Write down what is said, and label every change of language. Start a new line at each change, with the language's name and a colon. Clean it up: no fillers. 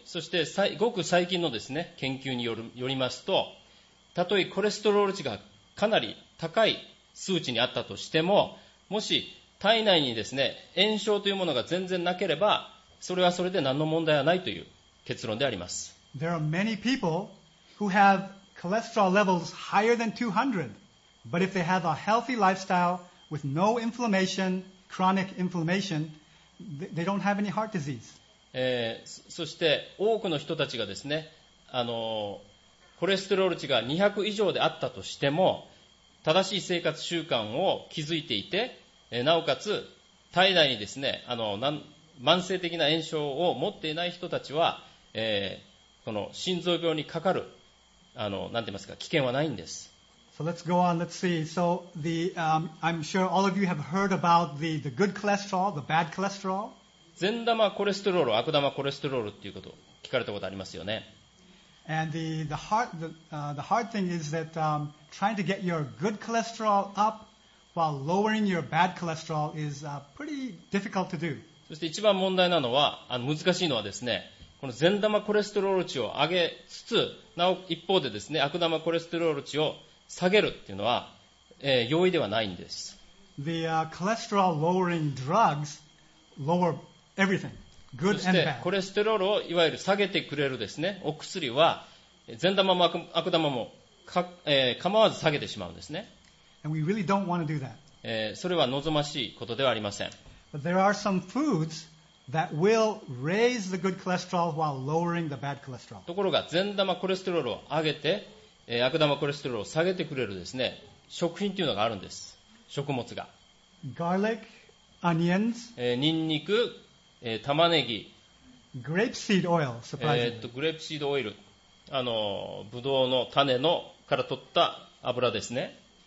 Japanese: そしてごく最近のですね、研究によるよりますと、たとえコレステロール値がかなり高い数値にあったとしても、もし体内にですね、炎症というものが全然なければ、それはそれで何の問題はないという結論であります。
English: There are many people who have cholesterol levels higher than 200, but if they have a healthy lifestyle with no inflammation, chronic inflammationThey don't have any heart disease.
Japanese: そして多くの人たちがですね、コレステロール値が200以上であったとしても、正しい生活習慣を築いていて、なおかつ体内にですね、慢性的な炎症を持っていない人たちは、この心臓病にかかる、なんて言いますか、危険はないんです。
English: So let's go on, let's see. So the, I'm sure all of you have heard about the good cholesterol, the bad cholesterol.
Japanese: 善玉コレステロール、悪玉コレステロールっていうこと、聞かれたことありますよね。
English: And the hard thing is that, trying to get your good cholesterol up while lowering your bad cholesterol is, pretty difficult to do.
Japanese: そして一番問題なのは、難しいのはですね、この善玉コレステロール値を上げつつ、なお一方でですね、悪玉コレステロール値を下げるっていうのは、容易ではないんです。
English: The cholesterol lowering drugs lower everything, good and bad.
Japanese: そしてコレステロールをいわゆる下げてくれるですね、お薬は善玉も悪玉も構わず下げてしまうんですね。
English: And we really don't want to do that.
Japanese: それは望ましいことではありません。
English: But there are some foods that will raise the good cholesterol while lowering the bad cholesterol.
Japanese: ところが善玉コレステロールを上げて悪玉コレステロールを下げてくれるですね、食品というのがあるんです。食物が
English: Garlic, onions,
Japanese: ニンニク、玉ねぎ、
English: grapeseed oil, surprisingly.
Japanese: グレープシードオイル、ブドウの種のから取った油ですね。